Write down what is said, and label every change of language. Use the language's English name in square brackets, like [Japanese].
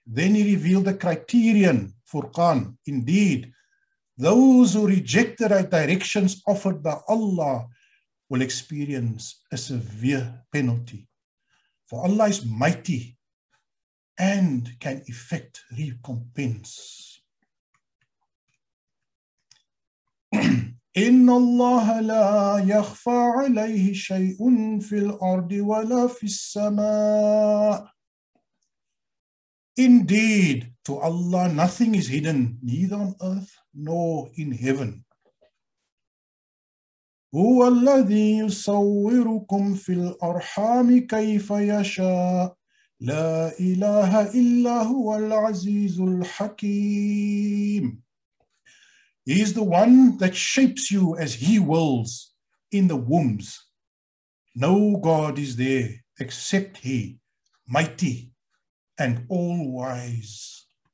[English] Then He revealed the criterion, Furqan. Indeed, those who reject the right directions offered by Allah will experience a severe penalty. For Allah is mighty and can effect recompense. [Arabic] إن الله لا يخفى عليه شيء في الأرض ولا في السماء. [English] Indeed, to Allah nothing is hidden, neither on earth nor in heaven. [Arabic] هو الذي يصوركم في الأرحام كيف يشاء لا إله إلا هو العزيز الحكيم. [English] He is the one that shapes you as He wills in the wombs. No God is there except He, mighty and all wise.